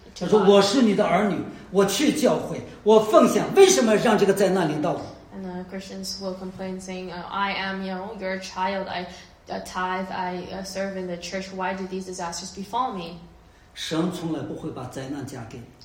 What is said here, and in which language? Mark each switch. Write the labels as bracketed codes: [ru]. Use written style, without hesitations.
[zh] 他说我是你的儿女，我去教会，我奉献，为什么让这个灾难临到我？ [en] And the Christians will complain, saying, I am, you know, your child. I tithe, I serve in the church. Why do these disasters befall me? [zh] 神从来不会把灾难加给。